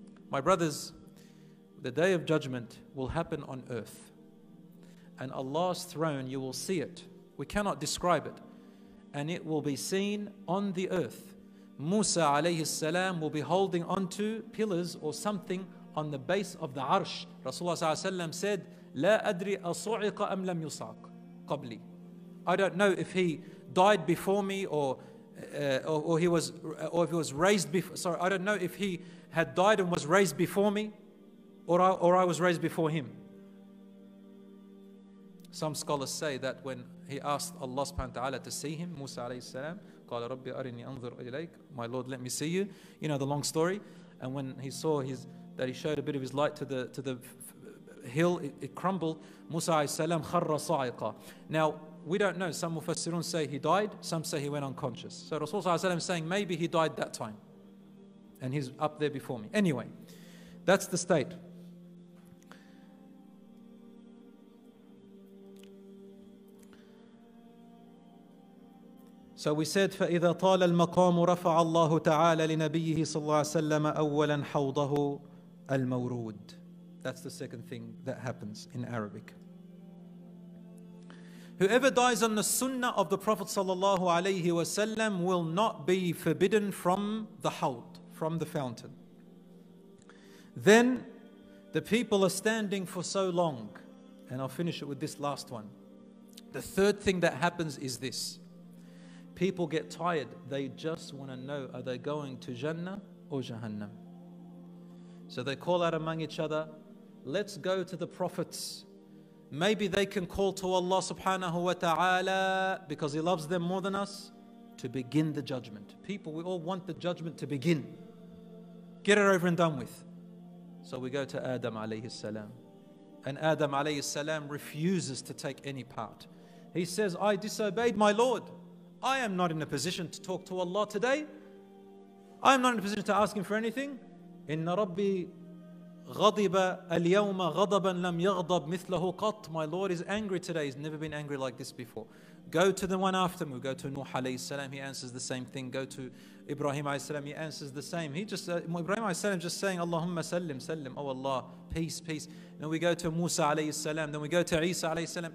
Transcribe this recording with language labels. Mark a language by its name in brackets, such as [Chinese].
[English] My brothers, the day of judgment will happen on earth. And Allah's throne, you will see it. We cannot describe it. And it will be seen on the earth. Musa alayhi salam will be holding onto pillars or something on the base of the Arsh. [Arabic] Rasulullah sallallahu alayhi wasallam said, لا أدري أصعق أم لم يصعق. قبلي. [English] I don't know if he died before me or if he was raised before, I don't know if he had died and was raised before me or I was raised before him. Some scholars say that when he asked Allah subhanahu wa ta'ala to see him, Musa alayhi salam, [Arabic] قَالَ رَبِّ أَرِنِي أَنظُرْ إِلَيْكَ. [English] My Lord, let me see you. You know the long story. And when he saw he showed a bit of his light to the hill, it crumbled. Musa alayhi salam [Arabic] kharra sa'iqa. [English] Now, we don't know. Some mufassirun say he died. Some say he went unconscious. So Rasulullah sallallahu alayhi wa sallam is saying maybe he died that time. And he's up there before me. Anyway, that's the state. So we said, [Arabic] فَإِذَا طَالَ الْمَقَامُ رَفَعَ اللَّهُ تَعَالَى لِنَبِيِّهِ صَلَّى اللَّهُ عَلَيْهِ وَسَلَّمَ أَوَّلًا حَوْضَهُ الْمَوْرُودِ. [English] That's the second thing that happens in Arabic. Whoever dies on the sunnah of the Prophet sallallahu alayhi wasallam will not be forbidden from the hawd, from the fountain. Then the people are standing for so long. And I'll finish it with this last one. The third thing that happens is this. People get tired. They just want to know, are they going to Jannah or Jahannam? So they call out among each other, let's go to the prophets. Maybe they can call to Allah subhanahu wa ta'ala because He loves them more than us to begin the judgment. People, we all want the judgment to begin. Get it over and done with. So we go to Adam alayhi salam. And Adam alayhi salam refuses to take any part. He says, I disobeyed my Lord. I am not in a position to talk to Allah today. I am not in a position to ask Him for anything. [Arabic] Inna Rabbi غضب اليوم غضبا لم يغضب مثله قط. [English] My Lord is angry today. He's never been angry like this before. Go to the one after me. Go to Nuh alayhi salam. He answers the same thing. Go to Ibrahim alayhi salam. He answers the same. Ibrahim alayhi salam just saying, [Arabic] Allahumma sallim, sallim. [English] Oh Allah, peace, peace. Then we go to Musa alayhi salam. Then we go to Isa alayhi salam.